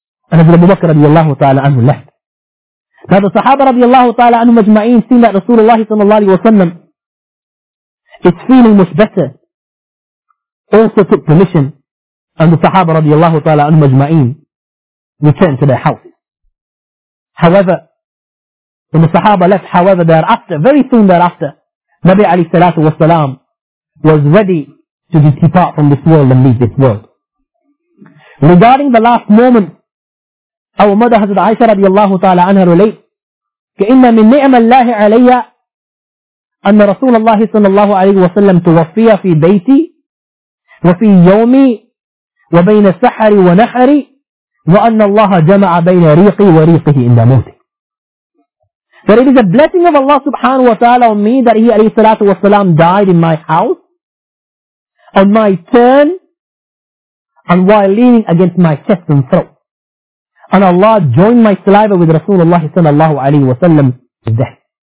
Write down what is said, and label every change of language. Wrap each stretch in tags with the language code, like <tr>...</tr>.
<en>And Hazrat Abu Bakr radiallahu ta'ala anhu left. Now the Sahaba radiallahu ta'ala anhu majma'een seen that Rasulullah sallallahu alayhi wa sallam is feeling much better, also took permission, and the Sahaba radiallahu ta'ala anhu majma'een returned to their house. However, when the Sahaba left, however, thereafter, very soon thereafter, Nabi alayhi salatu wa salam was ready to depart from this world and leave this world. Regarding the last moment, our mother Hazrat Aisha radiallahu ta'ala anha relate,</en> <ar>كَإِنَّ مِنْ نِعْمَ اللَّهِ عَلَيَّ أَنَّ رَسُولَ اللَّهِ صَلَّى اللَّهُ عَلَيْهِ وَسَلَّمْ تُوَفِّيَ فِي بَيْتِي وَفِي يَوْمِي وَبَيْنَ السَّحَرِ وَنَحَرِي وَأَنَّ اللَّهَ جَمَعَ بَيْنَ رِيقِي وَرِيقِهِ إِنْدَ مَوْتِي.</ar> <en>But it is a blessing of Allah subhanahu wa ta'ala on me that he alayhi salatu wa salam died in my house on my turn and while leaning against my chest and throat. And Allah joined my saliva with Rasulullah sallallahu alayhi wa sallam to death.</en>